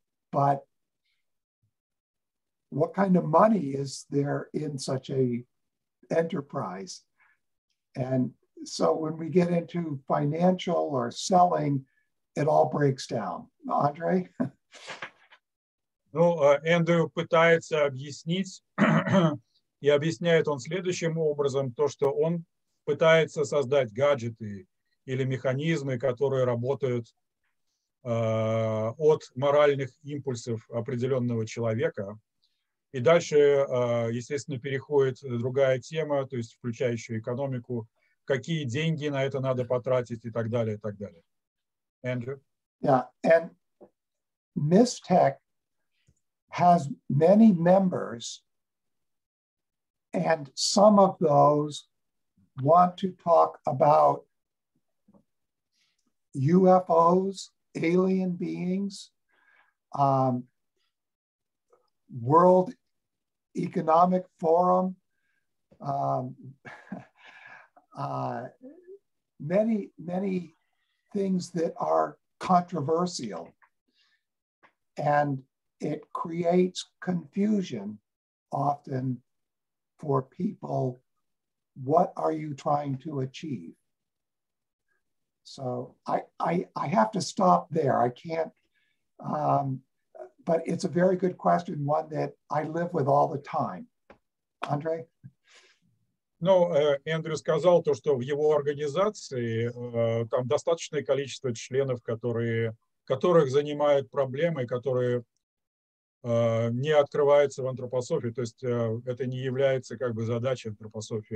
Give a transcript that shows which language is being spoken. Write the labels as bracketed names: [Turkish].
[English] But what kind of money is there in such a enterprise? And so when we get into financial or selling, it all breaks down. Andre? [Russian] Ну, Эндрю пытается объяснить, и объясняет он следующим образом, то, что он пытается создать гаджеты или механизмы, которые работают от моральных импульсов определенного человека. И дальше, естественно, переходит другая тема, то есть включающая экономику, какие деньги на это надо потратить и так далее, и так далее. [English] Andrew? Yeah, and MISTECH has many members, and some of those want to talk about UFOs, alien beings, World Economic Forum, many, many things that are controversial, and it creates confusion often for people. What are you trying to achieve? So I have to stop there. I can't, but it's a very good question, one that I live with all the time. Andre? [Russian] Ну, Эндрю сказал то, что в его организации там достаточное количество членов, которых занимают проблемы, которые не открываются в антропософии. То есть это не является как бы задачей антропософии.